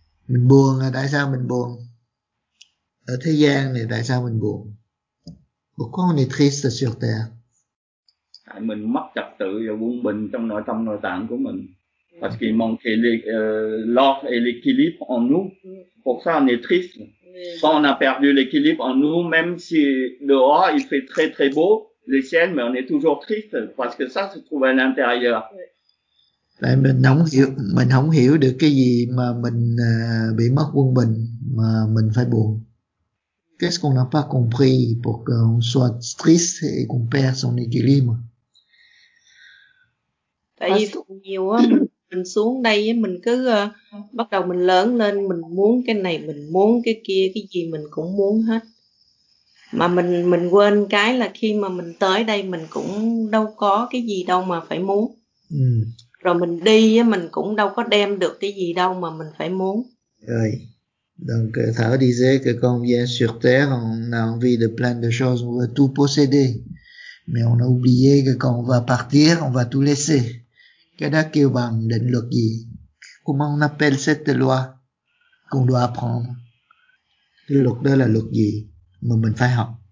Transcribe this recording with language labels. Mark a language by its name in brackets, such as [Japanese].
[Vietnamese] Mình buồn là tại sao mình buồn? Ở thế gian này tại sao mình buồn? [French] Pourquoi on est triste sur terre? [Vietnamese] Tại mình mất trật tự và quân bình trong nội tâm nội tạng của mình. [French] Parce qu'il manque l'ordre et l'équilibre en nous. Pour ça on est triste. Quand on a perdu l'équilibre en nous, même si dehors il fait très très beau, le ciel, mais on est toujours triste parce que ça se trouve à l'intérieur. [Vietnamese] Tại mình không hiểu được cái gì mà mình bị mất quân bình mà mình phải buồn. [French] Qu'est-ce qu'on n'a pas compris pour qu'on soit triste et qu'on perd son équilibre? [Vietnamese] Tại vì nhiều á, mình xuống đây mình cứ bắt đầu mình lớn lên, mình muốn cái này, mình muốn cái kia, cái gì mình cũng muốn hết. Mà mình quên cái là khi mà mình tới đây mình cũng đâu có cái gì đâu mà phải muốn. Rồi mình đi á, mình cũng đâu có đem được cái gì đâu mà mình phải muốn. Rồi. [French] Donc Thảo disait que quand on vient sur terre, on a envie de plein de choses, on veut tout posséder. Mais on a oublié que quand on va partir, on va tout laisser. [Vietnamese] Cái đó kêu bằng định luật gì? [French] Comment on appelle cette loi qu'on doit apprendre? [Vietnamese] Cái luật đó là luật gì mà mình phải học?